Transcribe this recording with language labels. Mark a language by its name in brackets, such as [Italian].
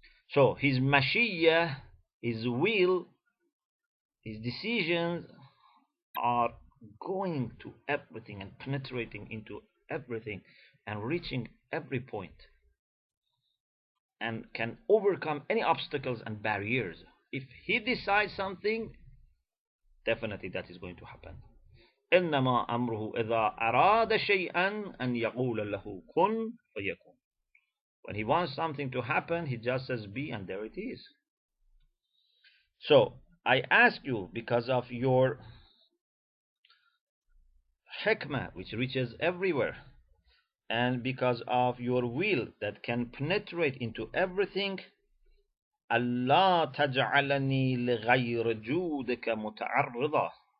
[English] So His mashiyah, His will, His decisions are going to everything and penetrating into everything and reaching every point, and can overcome any obstacles and barriers. If He decides something, definitely that is going to happen. [Arabic] إِنَّمَا أَمْرُهُ إِذَا أَرَادَ شَيْئًا أَنْ يَقُولَ لَهُ كُنْ فَيَكُنْ. [English] When He wants something to happen, He just says be, and there it is. So I ask you because of your hikmah, which reaches everywhere, and because of your will that can penetrate into everything, [Arabic] Allah taj'alani li ghayr judika muta'arrida.